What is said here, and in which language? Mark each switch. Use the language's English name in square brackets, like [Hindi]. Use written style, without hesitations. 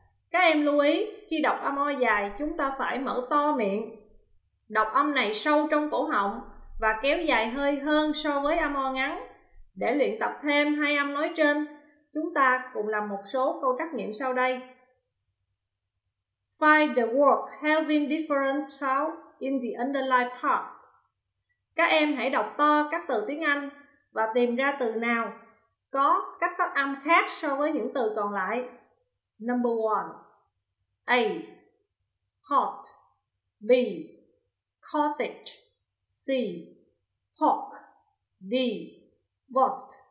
[Vietnamese] Các em lưu ý, khi đọc âm O dài, chúng ta phải mở to miệng. Đọc âm này sâu trong cổ họng và kéo dài hơi hơn so với âm O ngắn. Để luyện tập thêm hai âm nói trên, chúng ta cùng làm một số câu trắc nghiệm sau đây. [English] Find the word having different sound in the underlined part. [Vietnamese] Các em hãy đọc to các từ tiếng Anh và tìm ra từ nào có cách phát âm khác so với những từ còn lại. [English] Number 1. A. Hot. B. Cottage. C. Pork. D. Bot.